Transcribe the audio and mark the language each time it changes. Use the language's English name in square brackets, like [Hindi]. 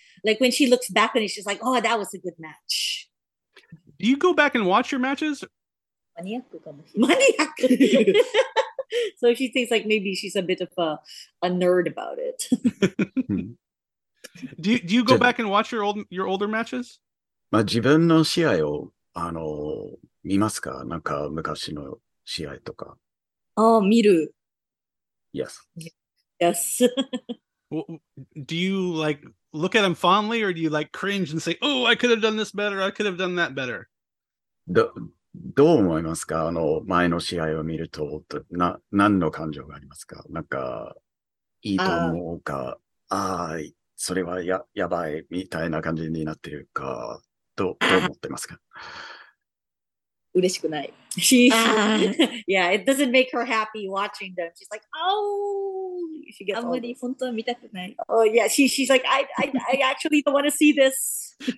[English] Like, when she looks back on it, she's like, oh, that was a good match. Do you go back and watch your matches? Maniac. So she thinks like maybe she's a bit of a nerd about it. Do you go back and watch your older matches? [Japanese] まあ自分の試合を見ますか？なんか昔の試合とか。ああ、見る。 [English] Yes. Yes. Do you like look at them fondly or do you like cringe and say, oh, I could have done this better, I could have done that better? [Japanese] どう思いますか？前の試合を見ると、何の感情がありますか？なんか、いいと思うか、それはやばいみたいな感じになってるか、どう思ってますか？嬉しくない。 [English] Yeah, it doesn't make her happy watching them. She's like, oh! [Japanese] あんまり本当は見たくない。 [English] Oh, yeah, she's like, I actually don't want to see this.